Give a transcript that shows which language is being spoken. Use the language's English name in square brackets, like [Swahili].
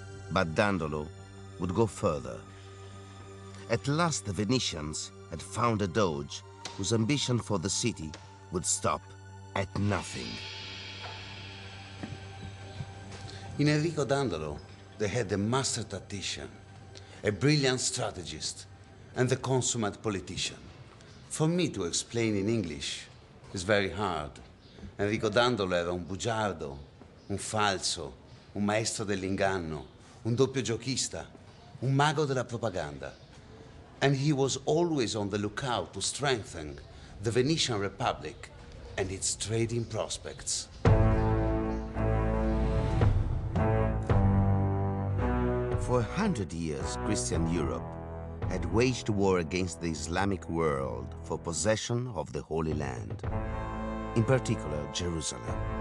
[English] But Dandolo would go further. At last, the Venetians had found a Doge whose ambition for the city would stop at nothing. In Enrico Dandolo, they had a master tactician, a brilliant strategist, and the consummate politician. For me to explain in English is very hard. [Italian] Enrico Dandolo era un bugiardo, un falso, un maestro dell'inganno, un doppio giochista, un mago della propaganda. [English] And he was always on the lookout to strengthen the Venetian Republic and its trading prospects. For 100 years, Christian Europe had waged war against the Islamic world for possession of the Holy Land, in particular Jerusalem.